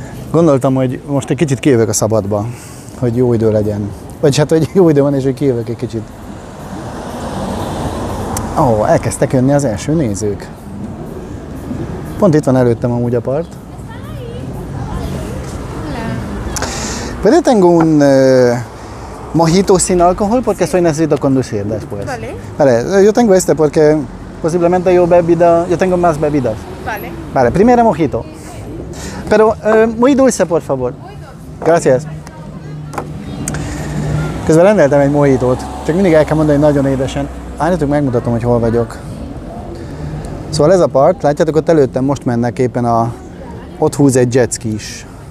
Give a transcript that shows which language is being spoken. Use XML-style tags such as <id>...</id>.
<hu>Gondoltam, hogy most egy kicsit kijövök a szabadba, hogy jó idő legyen. Vagy hát, hogy jó idő van, és hogy kijövök egy kicsit. Ó, elkezdtek jönni az első nézők. Pont itt van előttem amúgy a part.</hu> <es>Pero tengo un mojito sin alcohol porque sí. Soy necesito conducir después. Vale. Vale, yo tengo este porque posiblemente yo bebida, yo tengo más bebidas. Vale. Vale, primero mojito. Pero muy dulce, por favor. Muy dulce. Gracias.</es> <hu>Közben rendeltem egy mojitót, csak mindig el kell mondani, hogy nagyon édesen. Álljatok, megmutatom, hogy hol vagyok. Szóval ez a part, látjátok, ott előttem most mennek éppen a... Ott húz egy jetski is.</hu>